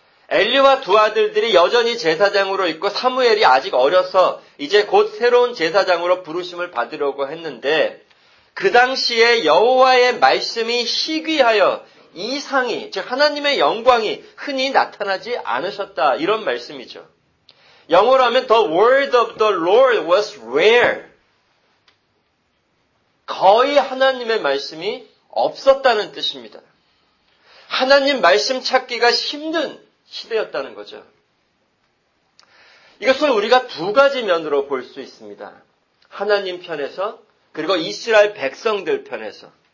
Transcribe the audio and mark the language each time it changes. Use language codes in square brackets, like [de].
[ko] 엘리와 두 아들들이 여전히 제사장으로 있고 사무엘이 아직 어려서 이제 곧 새로운 제사장으로 부르심을 받으려고 했는데 그 당시에 여호와의 말씀이 희귀하여 이상이 즉 하나님의 영광이 흔히 나타나지 않으셨다 이런 말씀이죠. 영어로 하면 [en] The word of the Lord was rare. [ko] 거의 하나님의 말씀이 없었다는 뜻입니다. 하나님 말씀 찾기가 힘든 시대였다는 거죠. 이것을 우리가 두 가지 면으로 볼 수 있습니다. 하나님 편에서 그리고 이스라엘 백성들 편에서.